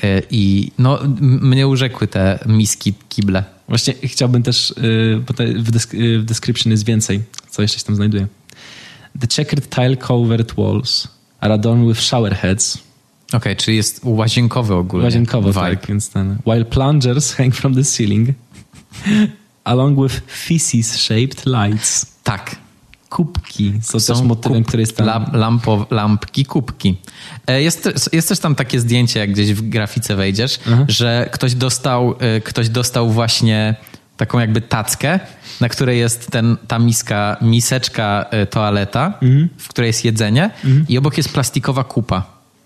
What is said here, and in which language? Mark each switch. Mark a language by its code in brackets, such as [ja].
[pl] I no, mnie urzekły te miski, kible. Właśnie chciałbym też, bo w description jest więcej, co jeszcze się tam znajduje. [en] The checkered tile covered walls are adorned with shower heads. [pl] Okej, czyli jest łazienkowy ogólnie. Łazienkowy, tak, więc ten. [en] While plungers hang from the ceiling along with feces shaped lights. [pl] Tak. Kubki są też motywem, który jest tam. Lampki, kubki. Jest też tam takie zdjęcie, jak gdzieś w grafice wejdziesz, że ktoś dostał właśnie taką jakby tackę, na której jest ta miseczka toaleta, w której jest jedzenie i obok jest plastikowa kupa.